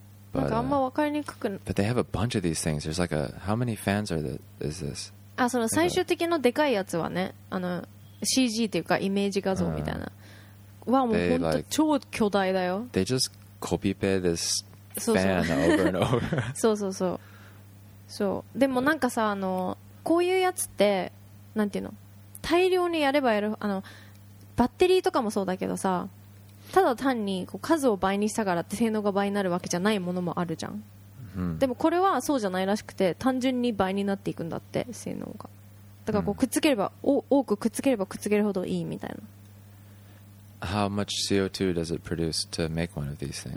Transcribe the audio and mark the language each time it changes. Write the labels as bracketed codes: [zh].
[en] But they have a bunch of these things. There's like a how many fans are that is this? [ja] あ、その最終的のでかいやつはね、あの CG っていうかイメージ画像みたいな。わ、もう本当超巨大だよ。 [en] They just copy paste this fan over and over. [ja] そうそうそう。そう。でもなんかさ、あのこういうやつってなんていうの？大量にやればやる、あのバッテリーとかもそうだけどさ、ただ単にこう数を倍にしたからって性能が倍になるわけじゃないものもあるじゃん、でもこれはそうじゃないらしくて、単純に倍になっていくんだって性能が。だからこうくっつければ、多くくっつければくっつけるほどいいみたいな。 [en] How much CO2 does it produce to make one of these things?